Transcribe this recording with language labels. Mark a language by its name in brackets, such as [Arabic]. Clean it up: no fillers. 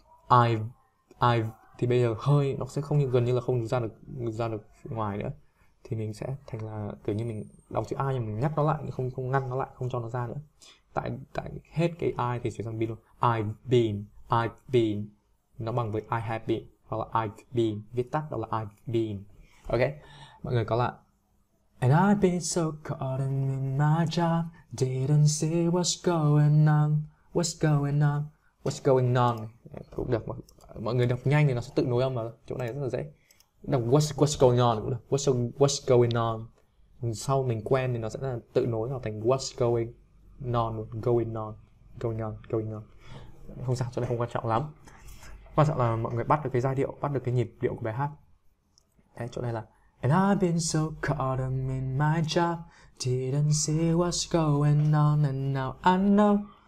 [Vietnamese] I thì bây giờ hơi nó sẽ không như gần như là không ra được ngoài nữa, thì mình sẽ thành là kiểu như mình đọc chữ I nhưng mình nhắc nó lại, không không ngăn nó lại, không cho nó ra nữa. Tại tại hết cái I thì chuyển sang be luôn. I've been nó bằng với I have been hoặc là I've been, viết tắt đó là I've been. Ok, mọi người có lại. [English] And I've been so caught up in my job, didn't see what's going on, what's going on, what's going on. [Vietnamese] Cũng được, mọi người đọc nhanh thì nó sẽ tự nối âm vào, chỗ này rất là dễ. Đọc [English] what's going on [Vietnamese] cũng được, what's going on. Sau mình quen thì nó sẽ tự nối vào thành [English] what's going on, going on, going on, going on. [Vietnamese] Không sao, chỗ này không quan trọng lắm. Quan trọng là mọi người bắt được cái giai điệu, bắt được cái nhịp điệu của bài hát. Đấy, chỗ này là [English] And I've been so caught up in my job, didn't see what's going on, and now I know.